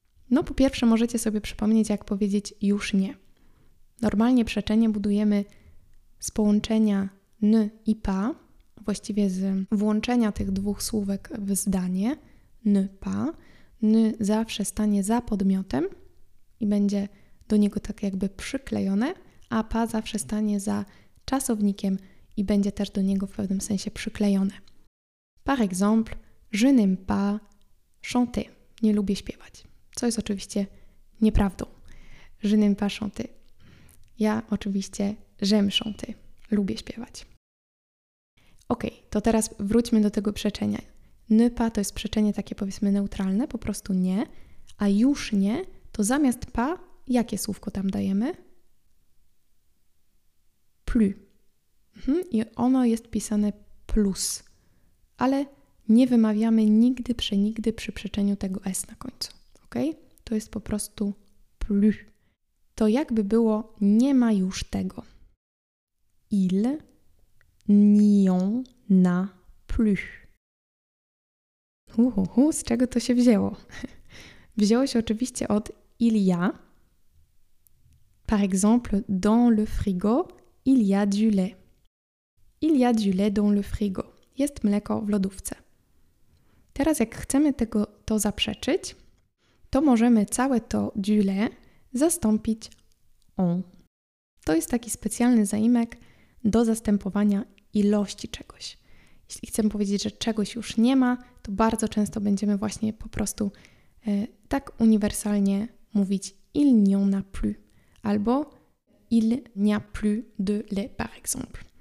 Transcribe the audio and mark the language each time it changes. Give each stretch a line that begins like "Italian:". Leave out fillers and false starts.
Polish: No, po pierwsze, możecie sobie przypomnieć, jak powiedzieć już nie. Normalnie przeczenie budujemy z połączenia n i pa, właściwie z włączenia tych dwóch słówek w zdanie, n, pa. N zawsze stanie za podmiotem i będzie do niego tak jakby przyklejone, a pa zawsze stanie za czasownikiem i będzie też do niego w pewnym sensie przyklejone.
French: Par exemple, je n'aime pas chanter.
Polish: Nie lubię śpiewać. Co jest oczywiście nieprawdą.
French: Je n'aime pas chanter.
Polish: Ja oczywiście
French: j'aime chanter.
Polish: Lubię śpiewać. Ok, to teraz wróćmy do tego przeczenia. Ne pas to jest przeczenie takie powiedzmy neutralne, po prostu nie. A już nie, to zamiast pa, jakie słówko tam dajemy? Plus. I ono jest pisane plus. Ale nie wymawiamy nigdy, przenigdy przy przeczeniu tego S na końcu. Ok? To jest po prostu plus. To jakby było nie ma już tego.
French: Il n'y en a plus.
Polish: Z czego to się wzięło? Wzięło się oczywiście od
French: il y a. Par exemple, dans le frigo, il y a du lait. Il y a du lait dans le frigo.
Polish: Jest mleko w lodówce. Teraz jak chcemy tego to zaprzeczyć, to możemy całe to du lait zastąpić on. To jest taki specjalny zaimek do zastępowania ilości czegoś. Jeśli chcemy powiedzieć, że czegoś już nie ma, to bardzo często będziemy właśnie po prostu tak uniwersalnie mówić
French: il n'y en a plus
Polish: albo
French: il n'y a plus de lait par exemple.